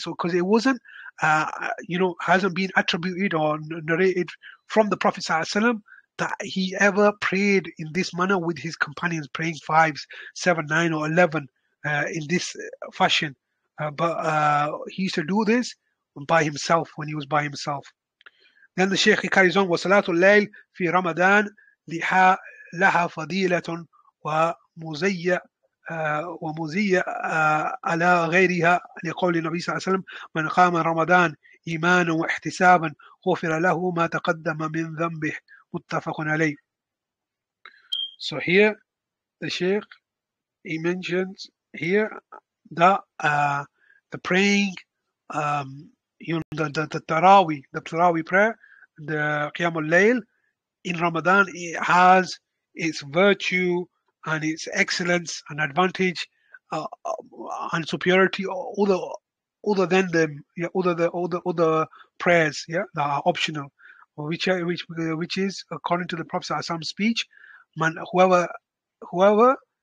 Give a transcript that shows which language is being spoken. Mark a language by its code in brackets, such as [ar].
[en] So because it wasn't, hasn't been attributed or narrated from the Prophet ﷺ that he ever prayed in this manner with his companions, praying 5, 7, 9, or 11 in this fashion. But he used to do this by himself, when he was by himself. Then the Shaykh carries on, [ar] وَصَلَاتُ اللَّيْلِ فِي رَمَدَانِ لِحَا لَهَا فَضِيلَةٌ وَمُزَيَّ ومزية على غيرها، لقول النبي صلى الله عليه وسلم: من قام رمضان إيمانا واحتسابا غفر له ما تقدم من ذنبه. متفق عليه. [en] So here the Sheikh, he mentions here that the praying the Taraweeh prayer, the Qiyam al-Layl in Ramadan, it has its virtue and its excellence and advantage and superiority other than the prayers, yeah, that are optional, which is according to the Prophet Assam speech, man, whoever